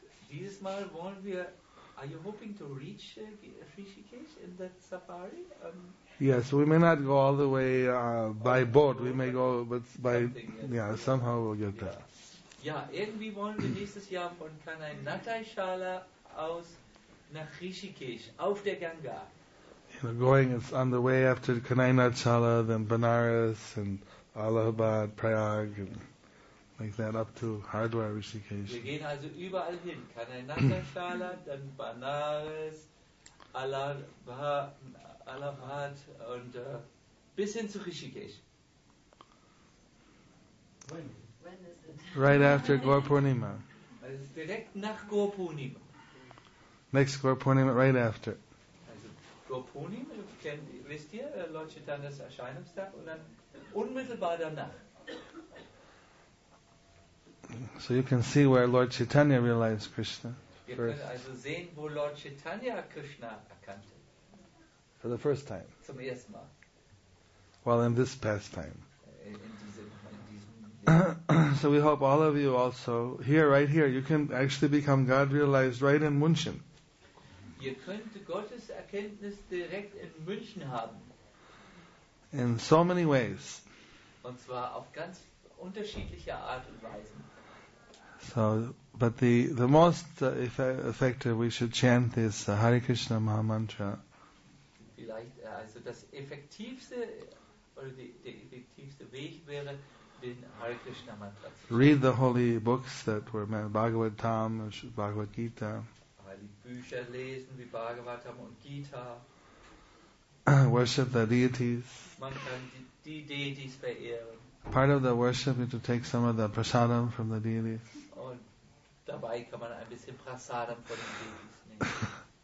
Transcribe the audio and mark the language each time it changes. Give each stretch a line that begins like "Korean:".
German: Dieses Mal wollen wir,
English: are you hoping to reach Rishikesh in that safari? Yes, we may not go all the way by boat. We may go, but by, somehow we'll get there.
German: Ja, irgendwie wollen wir nächstes Jahr von Kanainachala aus nach Rishikesh, auf der Ganga.
English: Going it's on the way after Kanainachala, then Banaras and Allahabad, Prayag, and like that up to Hardwar, Rishikesh.
German: Wir gehen also überall hin. Kanainachala,
English: then
German: Banaras, Allahabad, and bis hin zu Rishikesh.
English: When is it? Right after Gaur Purnima.
German: Direkt nach Gaur Purnima.
English: Next Gaur Purnima, right after.
German: Gopunim, wisst ihr, Lord Chaitanyas Erscheinungstag und dann unmittelbar danach.
English: So you can see where Lord Chaitanya realized Krishna.
German: Wir können also sehen, wo Lord Chaitanya Krishna erkannte.
English: For the first time.
German: Zum ersten Mal.
English: Well, in this past time.
German: In diesem
English: So we hope all of you also, here, right here, you can actually become God realized right in Munchen.
German: Ihr könnt Gottes Erkenntnis direkt in München haben.
English: In so many ways.
German: Und zwar auf ganz unterschiedliche Art und Weise.
English: So, but the most effective, we should chant this Hare Krishna Maha Mantra.
German: Vielleicht also das effektivste oder der effektivste Weg wäre, den Hare Krishna Mantra zu sprechen.
English: Read the holy books that were meant, Bhagavad Tam, Bhagavad Gita.
German: Bücher lesen wie Bhagavatam und Gita.
English: Worship the deities.
German: Man kann die Deities verehren.
English: Part of the worship is to take some of the prasadam from the deities.
German: Und dabei kann man ein bisschen prasadam von den Deities nehmen.